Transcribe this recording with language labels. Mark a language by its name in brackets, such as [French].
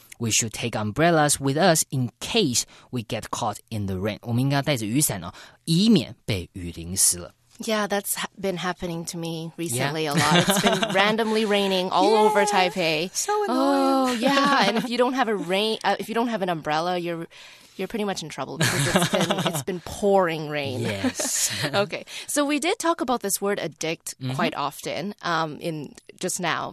[English] We should take umbrellas with us in case we get caught in the rain. [Chinese] 我们应该带着雨伞哦，以免被雨淋湿了。 [English] Yeah, that's been happening to me recently a lot. It's been randomly raining all over Taipei. So annoying. Oh, yeah. And if you don't have if you don't have an umbrella, you're pretty much in trouble because it's been pouring rain. Yes. Okay. So we did talk about this word addict quite often in just now.